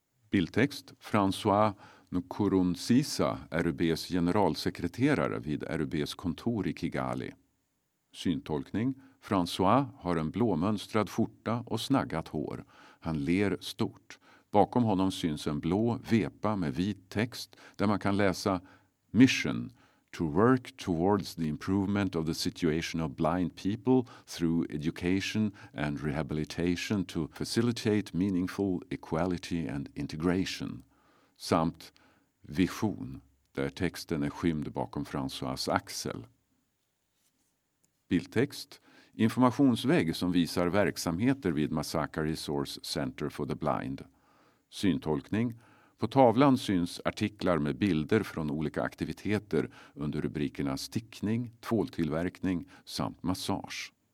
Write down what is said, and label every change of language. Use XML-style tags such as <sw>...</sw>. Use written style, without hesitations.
<sv>Bildtext. François Nkurunziza, RUBs generalsekreterare vid RUBs kontor i Kigali. Syntolkning. François har en blåmönstrad skjorta och snaggat hår. Han ler stort. Bakom honom syns en blå vepa med vit text där man kan läsa Mission.</sv> <en>To work towards the improvement of the situation of blind people through education and rehabilitation to facilitate meaningful equality and integration.</en> <sv>Samt vision, där texten är skymd bakom François axel. Bildtext. Informationsvägg som visar verksamheter vid Masaka Resource Center for the Blind. Syntolkning. På tavlan syns artiklar med bilder från olika aktiviteter under rubrikerna stickning, tvåltillverkning samt massage.</sv>